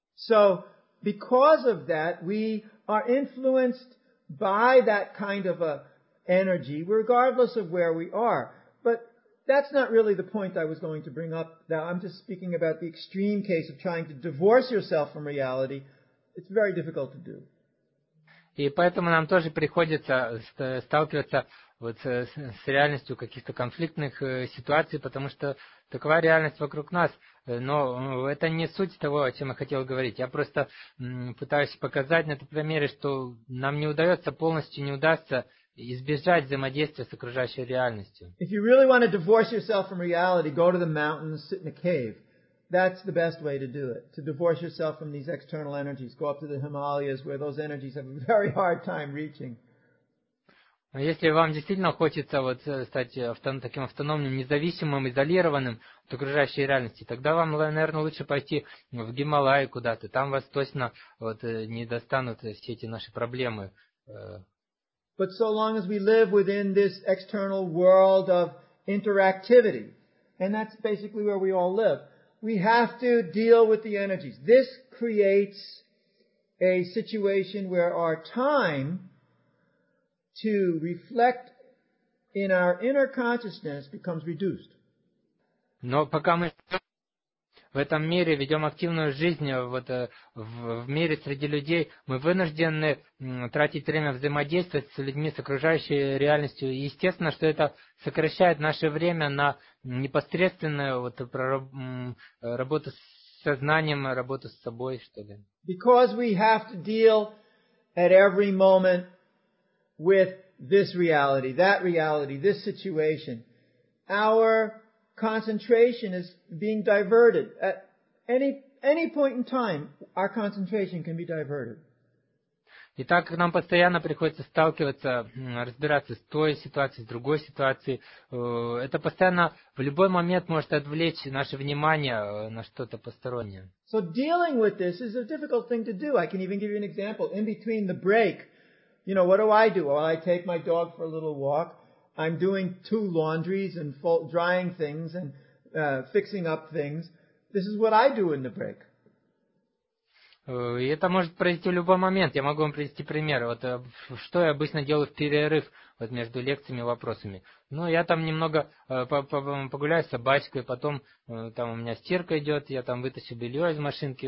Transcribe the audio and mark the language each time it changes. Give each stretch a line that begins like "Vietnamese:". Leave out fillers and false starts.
English: So, because of that, we are influenced by that kind of a energy, regardless of where we are. But That's not really the point I was going to bring up. Now, I'm just speaking about the extreme case of trying to divorce yourself from reality. It's very difficult to do.
Russian: И поэтому нам тоже приходится сталкиваться вот с реальностью каких-то конфликтных ситуаций, потому что такова реальность вокруг нас. Но это не суть того, о чем я хотел говорить. Я просто пытаюсь показать на этом примере, что нам не удается, полностью не удастся избежать взаимодействия с окружающей реальностью.
English: If you really want to divorce yourself from reality, go to the mountains, sit in a cave. That's the best way to do it, to divorce yourself from these external energies. Go up to the Himalayas, where those energies have a very hard time reaching.
Russian: Если вам действительно хочется вот стать таким автономным, независимым, изолированным от окружающей реальности, тогда вам, наверное, лучше пойти в Гималаи куда-то. Там вас точно вот не достанут все эти наши проблемы.
English: But so long as we live within this external world of interactivity, and that's basically where we all live, we have to deal with the energies. This creates a situation where our time to reflect in our inner consciousness becomes reduced.
Russian: Но пока мы в этом мире ведем активную жизнь, вот в мире среди людей, мы вынуждены тратить время взаимодействовать с людьми, с окружающей реальностью. И естественно, что это сокращает наше время на непосредственную вот работу с сознанием, работу с собой, что ли.
English: Because we have to deal at every moment with this reality, that reality, this situation, our concentration is being diverted. At any point in time, our concentration can be diverted.
Russian: И так как нам постоянно приходится сталкиваться, разбираться с той ситуацией, с другой ситуацией, это постоянно в любой момент может отвлечь наше внимание на что-то постороннее.
English: So dealing with this is a difficult thing to do. I can even give you an example. In between the break, you know, what do? Well, I take my dog for a little walk. I'm doing two laundries and drying things and fixing up things. This is what I do in the break.
Russian: Это может произойти в любой момент. Я могу вам привести пример. Вот что я обычно делаю в перерыв вот между лекциями и вопросами. Ну, я там немного погуляю с собачкой, потом там у меня стирка идет, я там вытащу белье из машинки.